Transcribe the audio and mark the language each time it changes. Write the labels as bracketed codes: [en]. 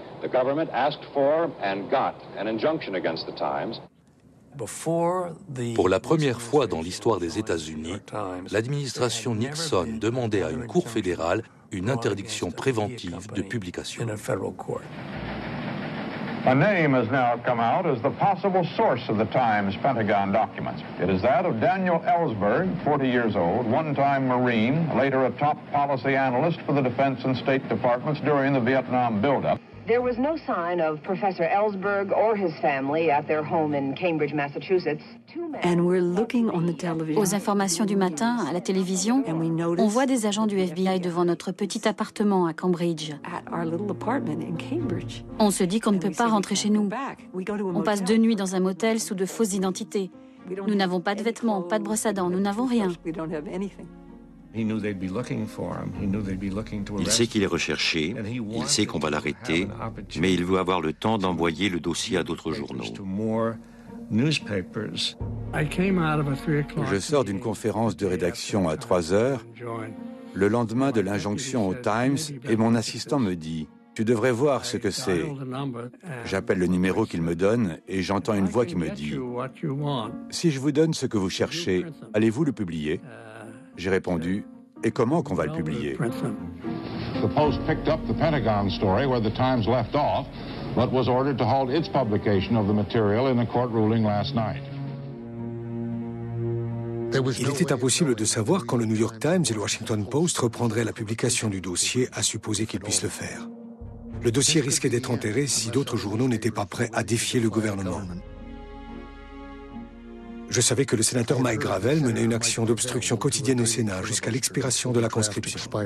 [en] The government asked for and got an injunction against the Times. [fr] Pour la première fois dans l'histoire des États-Unis, l'administration Nixon demandait à une cour fédérale une interdiction préventive de publication. [en] A name has now come out as the possible source of the Times Pentagon documents. It is that of Daniel Ellsberg, 40 years old, one-time Marine, later a top policy analyst for the Defense and State Departments during the Vietnam buildup. There was no sign of Professor Ellsberg or his family at their home in Cambridge, Massachusetts. And we're looking on the television. [fr] Aux informations du matin, à la télévision, on voit des agents du FBI devant notre petit appartement à Cambridge. On se dit qu'on ne peut pas rentrer chez nous. On passe deux nuits dans un motel sous de fausses identités. Nous n'avons pas de vêtements, pas de brosse à dents, nous n'avons rien. Il sait qu'il est recherché, il sait qu'on va l'arrêter, mais il veut avoir le temps d'envoyer le dossier à d'autres journaux. Je sors d'une conférence de rédaction à 3 heures, le lendemain de l'injonction au Times, et mon assistant me dit « Tu devrais voir ce que c'est ». J'appelle le numéro qu'il me donne et j'entends une voix qui me dit « Si je vous donne ce que vous cherchez, allez-vous le publier ?» J'ai répondu, et comment qu'on va le publier? [en] The Post picked up the Pentagon story where the Times left off, but was ordered to halt its publication of the material in a court ruling last night. [fr] Il était impossible de savoir quand le New York Times et le Washington Post reprendraient la publication du dossier à supposer qu'ils puissent le faire. Le dossier risquait d'être enterré si d'autres journaux n'étaient pas prêts à défier le gouvernement. Je savais que le sénateur Mike Gravel menait une action d'obstruction quotidienne au Sénat jusqu'à l'expiration de la conscription.